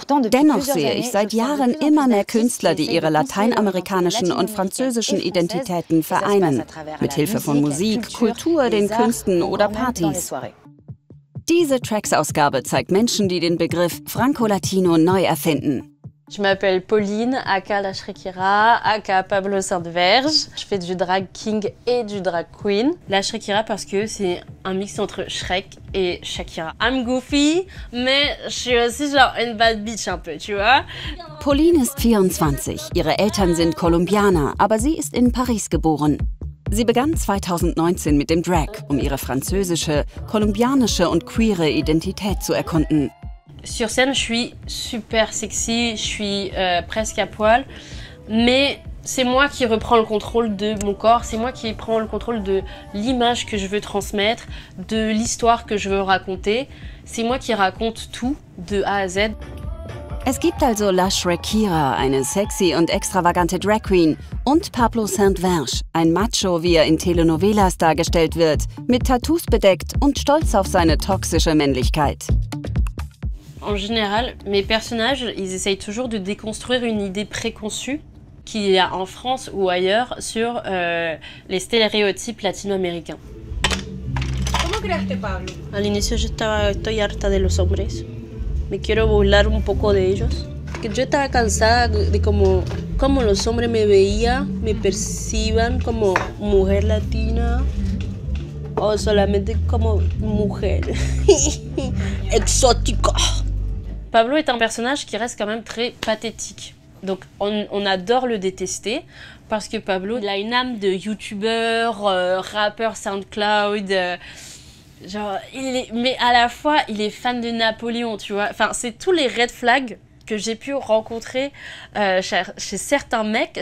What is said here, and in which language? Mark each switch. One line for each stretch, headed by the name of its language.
German: Dennoch sehe ich seit Jahren immer mehr Künstler, die ihre lateinamerikanischen und französischen Identitäten vereinen. Mithilfe von Musik, Kultur, den Künsten oder Partys. Diese Tracks-Ausgabe zeigt Menschen, die den Begriff Franco-Latino neu erfinden.
French: Je m'appelle Pauline, aka La Shrikira, aka Pablo Sainte-Verge. Je fais du drag king et du drag queen. La Shrikira parce que c'est un mix entre Shrek et Shakira.
English: I'm goofy,
French: mais je suis aussi genre une bad bitch un peu, tu vois.
German: Pauline ist 24, ihre Eltern sind Kolumbianer, aber sie ist in Paris geboren. Sie begann 2019 mit dem Drag, um ihre französische, kolumbianische und queere Identität zu erkunden.
French: Sur scène, je suis super sexy, je suis presque à poil, mais c'est moi qui reprends le contrôle de mon corps, c'est moi qui prends le contrôle de l'image que je veux transmettre, de l'histoire que je veux raconter, c'est moi qui raconte tout de A à Z.
German: Es gibt also La Shrekira, eine sexy und extravagante Drag Queen, und Pablo Sainte-Verge, ein Macho, wie er in Telenovelas dargestellt wird, mit Tattoos bedeckt und stolz auf seine toxische Männlichkeit.
French: En général, mes personnages, ils essayent toujours de déconstruire une idée préconçue qu'il y a en France ou ailleurs sur les stéréotypes latino-américains.
Spanish: Comment creaste Pablo? Al inicio yo estaba estoy harta de los hombres. Me quiero burlar un poco de ellos. Yo estaba cansada de cómo los hombres me veían, me perciban como mujer latina o solamente como mujer exótica.
French: Pablo est un personnage qui reste quand même très pathétique. Donc on adore le détester parce que Pablo, il a une âme de youtubeur, rappeur SoundCloud. Mais à la fois, il est fan de Napoléon, tu vois. Enfin, c'est tous les red flags que j'ai pu rencontrer chez certains mecs.